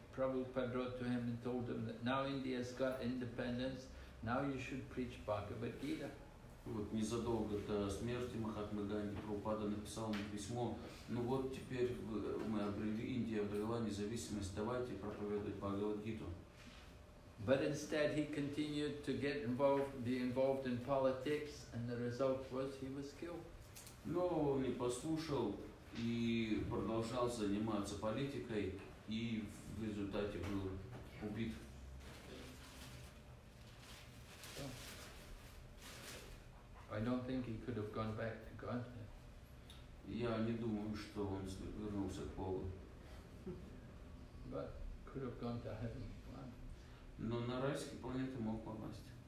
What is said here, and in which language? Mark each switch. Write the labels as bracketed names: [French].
[English] Prabhupada wrote to him and told him that now India's got independence. Now you should preach Bhagavad Gita. [Russian] Вот незадолго до смерти Махатмы Ганди Прабхупада написал ему письмо. Ну вот теперь мы обрели, Индия обрела независимость. Давайте проповедовать Бхагавад Гиту. [English] But instead, he continued to get involved, be involved in politics, and the result was he was killed. [Russian] Но он не послушал и продолжал заниматься политикой, и в результате был убит. [English] I don't think he could have gone back to God. [Russian] Я не думаю, что он вернулся к Богу. [English] But could have gone to heaven. [Russian] Но на райские планеты мог попасть.